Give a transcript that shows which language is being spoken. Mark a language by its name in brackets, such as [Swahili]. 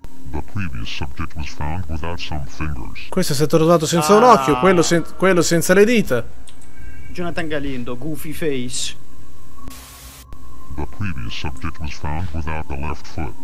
[English] The previous subject was found without some fingers. [Italian] Questo è stato trovato senza un occhio, quello senza le dita. [English] Jonathan Galindo, Goofy Face. The previous subject was found without the left foot.